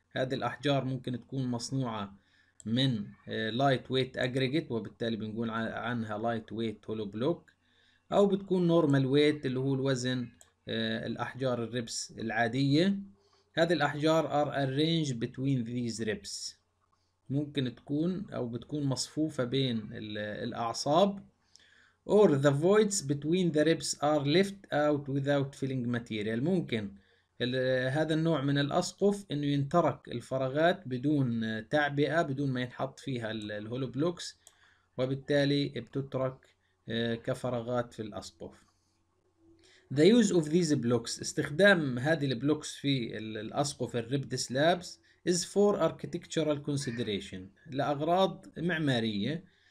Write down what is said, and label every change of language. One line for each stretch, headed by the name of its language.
Arabic: هذه الأحجار ممكن تكون مصنوعة من lightweight aggregate وبالتالي بنقول عنها lightweight hollow block، أو بتكون normal weight اللي هو الوزن الأحجار الريبس العادية. هذه الأحجار
English: are arranged between these ribs،
Arabic: ممكن تكون أو بتكون مصفوفة بين الأعصاب.
English: Or the voids between the ribs are left out without filling material.
Arabic: ممكن هذا النوع من الأسقف إنه ينترك الفراغات بدون تعبئة، بدون ما ينحط فيها الهولو بلوكس، وبالتالي بتترك كفراغات في الأسقف.
English: The use of these blocks،
Arabic: استخدام هذه البلوكس في الأسقف الريبد سلابس
English: is for architectural consideration،
Arabic: لأغراض معمارية.